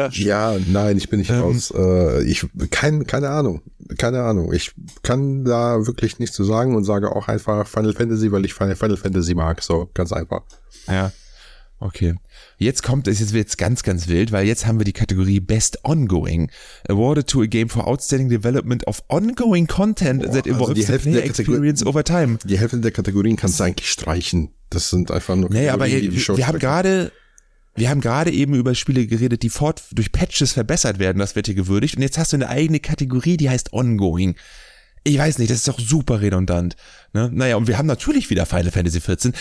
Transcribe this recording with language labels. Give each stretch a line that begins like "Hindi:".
German: Ja, nein, ich bin nicht raus. Keine Ahnung. Keine Ahnung. Ich kann da wirklich nichts zu sagen und sage auch einfach Final Fantasy, weil ich Final Fantasy mag. So, ganz einfach. Ja. Okay. Jetzt wird's ganz, ganz wild, weil jetzt haben wir die Kategorie Best Ongoing.
English: Awarded to a game for outstanding development of ongoing content that evolves also the player experience over time.
German: Die Hälfte der Kategorien kannst du eigentlich streichen. Das sind einfach nur Kategorien, aber die Show. Wir haben gerade eben über Spiele geredet, die durch Patches verbessert werden. Das wird hier gewürdigt. Und jetzt hast du eine eigene Kategorie, die heißt Ongoing. Ich weiß nicht, das ist doch super redundant. Ne? Naja, und wir haben natürlich wieder Final Fantasy 14.